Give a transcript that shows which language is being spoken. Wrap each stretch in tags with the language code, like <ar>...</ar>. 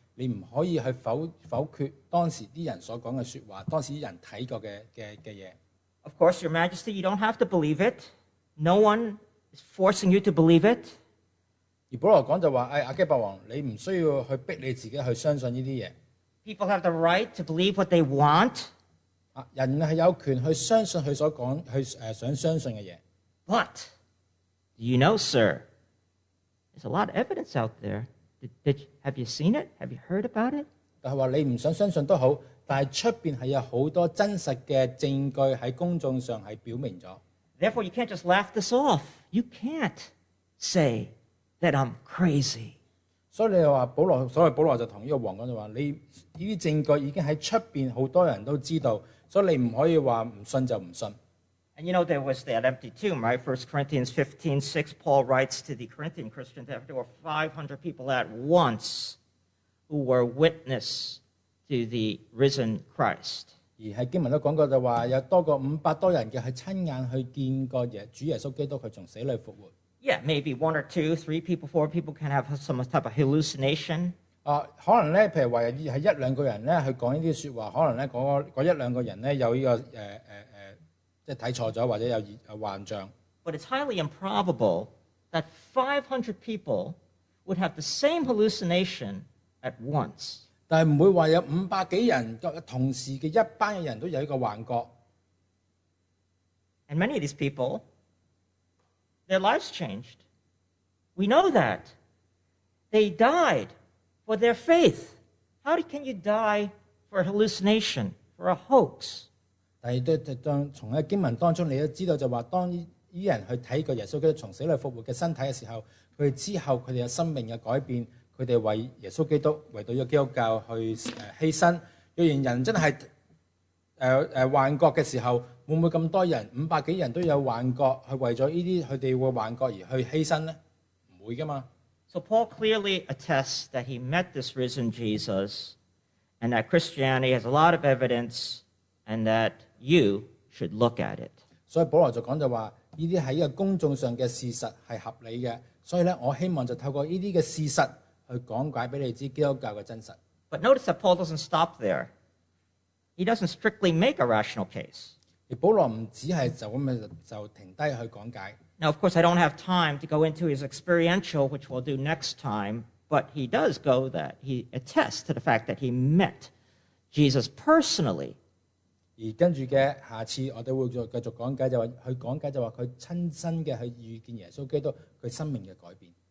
<yue>你唔可以去否決當時啲人所講嘅説話，當時啲人睇過嘅嘢。</yue> <en>Of course, Your Majesty, you don't have to believe it. No one is forcing you to believe it.</en> <yue>而保羅講就話：，阿基伯王，你唔需要去逼你自己去相信呢啲嘢。</yue> <en>People have the right to believe what they want.</en> <yue>人係有權去相信佢所講，去想相信嘅嘢。</yue> <en>But you know, sir, there's a lot of evidence out there. Have you seen it? Have you heard about it?</en> <yue>但係話你唔想相信都好，但係出邊係有好多真實嘅證據喺公眾上係表明咗。</yue> <en>Therefore, you can't just laugh this off. You can't say that I'm crazy.</en> <yue>所以你話保羅，所以保羅就同呢個王講就話，你呢啲證據已經喺出邊好多人都知道，所以你唔可以話唔信就唔信。</yue> <en>And you know there was that empty tomb, right? 1 Corinthians 15:6, Paul writes to the Corinthian Christians that there were 500 people at once who were witness to the risen Christ.</en> <yue>而喺經文都講過就話有多過500多人嘅係親眼去見過主耶穌基督佢從死裏復活。</yue> <en>Yeah, maybe one or two, three people, four people can have some type of hallucination.</en> <yue>可能咧，譬如話係一兩個人咧去講呢啲説話，可能咧嗰一兩個人咧有即係睇錯咗，或者有幻象。</yue> <en>But it's highly improbable that 500 people would have the same hallucination at once.</en> <yue>但係唔會話有五百幾人同時嘅一班嘅人都有一個幻覺。</yue> <en>And many of these people, their lives changed. We know that they died for their faith. How can you die for a hallucination, for a hoax?</en> <yue>從經文當中你都知道就話，當依人去睇過耶穌基督從死裏復活嘅身體嘅時候，佢之後佢哋嘅生命嘅改變，佢哋為耶穌基督為到咗基督教去犧牲。若然人真係幻覺嘅時候，會唔會咁多人五百幾人都有幻覺，去為咗呢啲佢哋嘅幻覺而去犧牲咧？唔會噶嘛。</yue> <en>So Paul clearly attests that he met this risen Jesus, and that Christianity has a lot of evidence, and that you should look at it.</en> <yue>所以保罗就讲就话，呢啲喺个公众上嘅事实系合理嘅，所以咧，我希望就透过呢啲嘅事实去讲解俾你知基督教嘅真实。</yue> <en>But notice that Paul doesn't stop there. He doesn't strictly make a rational case.</en> <yue>而保罗唔只系就咁样就停低去讲解。</yue> <en>Now, of course, I don't have time to go into his experiential, which we'll do next time, but he does go that. He attests to the fact that he met Jesus personally.</en> <yue>而跟住嘅下次我哋会再继续讲解，就话佢讲解就话佢亲身嘅去遇见耶稣基督，佢生命嘅改变。</yue>